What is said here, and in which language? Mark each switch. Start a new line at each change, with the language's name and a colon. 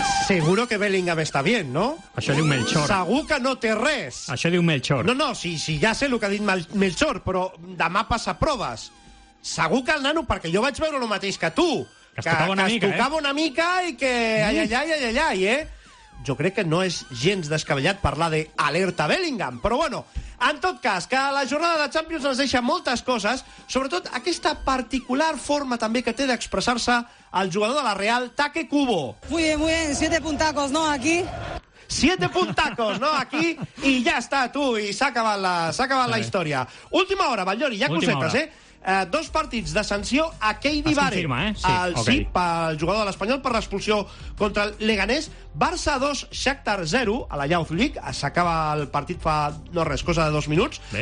Spanish: Seguro que Bellingham está bien, ¿no?
Catalan: Això diu Melchor. Segur que no té res. Això diu Melchor. No, no, sí, ja sé el que ha dit Melchor, però demà passa proves. Segur que el nano, perquè jo vaig veure el mateix que tu. Que es tocava una mica, i que... Ai, jo crec que no és gens descabellat parlar d'alerta Bellingham. Però bueno, en tot cas, que la jornada de Champions ens deixa moltes coses, sobretot aquesta particular forma també que té d'expressar-se el jugador de la Real, Take Kubo.
Spanish: Muy bien, 7 puntacos, ¿no?, aquí. 7 puntacos, ¿no?, aquí,
Catalan: i ja està, tu, i s'ha acabat la història. Última hora, Ballori, ja cosetes, eh? Dos partits de sanció a Keidi Vare. Es confirma, eh? Sí, pel jugador de l'Espanyol per l'expulsió contra el Leganés. Barça 2, Shakhtar 0 a la Youth League. S'acaba el partit fa, no res, cosa de 2 minuts. Bé.